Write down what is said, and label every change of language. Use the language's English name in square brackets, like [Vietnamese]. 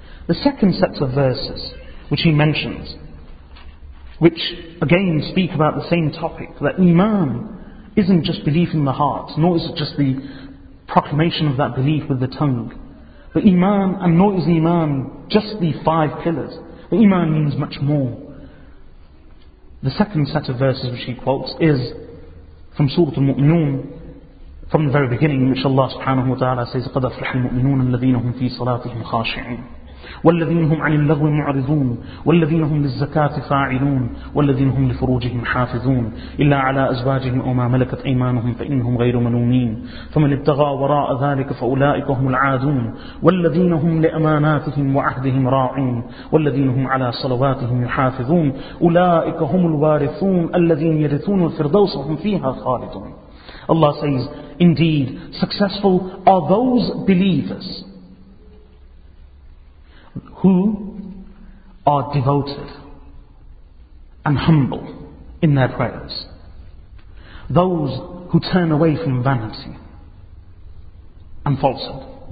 [English] The second set of verses which he mentions, which again speak about the same topic, that Iman isn't just belief in the heart, nor is it just the proclamation of that belief with the tongue. But Iman, and nor is Iman just the five pillars, but Iman means much more. The second set of verses which he quotes is from Surah Al-Mu'minun, from the very beginning, in which Allah subhanahu wa ta'ala says, [Arabic] قَدَ أَفْلَحَ الْمُؤْمِنُونَ الَّذِينَ هُمْ فِي صَلَاتِهِمْ خَاشِعِينَ وَالَّذِينَ هُمْ عَنِ اللَّغْوِ مُعْرِضُونَ وَالَّذِينَ هُمْ لِلزَّكَاةِ فَاعِلُونَ وَالَّذِينَ هُمْ لِفُرُوجِهِمْ حَافِظُونَ إِلَّا عَلَى أَزْوَاجِهِمْ أَوْ مَا مَلَكَتْ أَيْمَانُهُمْ فَإِنَّهُمْ غَيْرُ مَلُومِينَ فَمَنِ ابْتَغَى وَرَاءَ ذَلِكَ فَأُولَئِكَ هُمُ الْعَادُونَ وَالَّذِينَ هُمْ لِأَمَانَاتِهِمْ وَعَهْدِهِمْ رَاعُونَ وَالَّذِينَ هُمْ عَلَى صَلَوَاتِهِمْ يُحَافِظُونَ أُولَئِكَ هُمُ الْوَارِثُونَ الَّذِينَ يَرِثُونَ الْفِرْدَوْسَ هُمْ فِيهَا خَالِدُونَ. [English] Allah says, indeed, successful are those believers who are devoted and humble in their prayers, those who turn away from vanity and falsehood,